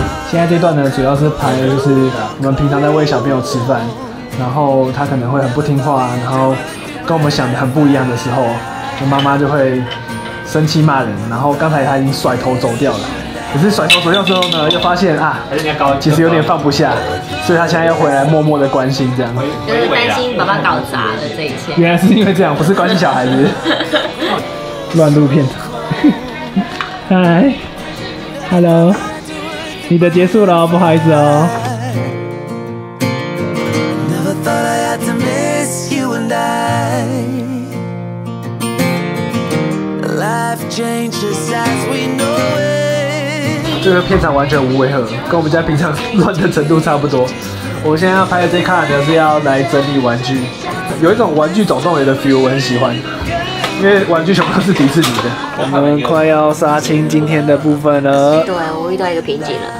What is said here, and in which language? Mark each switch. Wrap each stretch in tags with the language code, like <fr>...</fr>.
<zh>现在这段呢，主要是拍的就是我们平常在喂小朋友吃饭，然后他可能会很不听话，然后跟我们想的很不一样的时候，就妈妈就会生气骂人，然后刚才他已经甩头走掉了，可是甩头走掉之后呢，又发现啊，其实有点放不下，所以他现在又回来默默的关心，这样就是担心爸爸搞砸了这一切。原来是因为这样，不是关心小孩子，乱录片头。嗨 ，Hello。你的结束了，不好意思哦。</zh> <en>Never thought I had to miss you and I. Life changes as we know it.</en> <zh>这个片场完全无违和，跟我们家平常乱的程度差不多。我们现在要拍的这卡呢，是要来整理玩具，有一种玩具总动员的 feel， 我很喜欢。因为玩具熊都是迪士尼的，我们快要杀青今天的部分了。对，我遇到一个瓶颈了。</zh>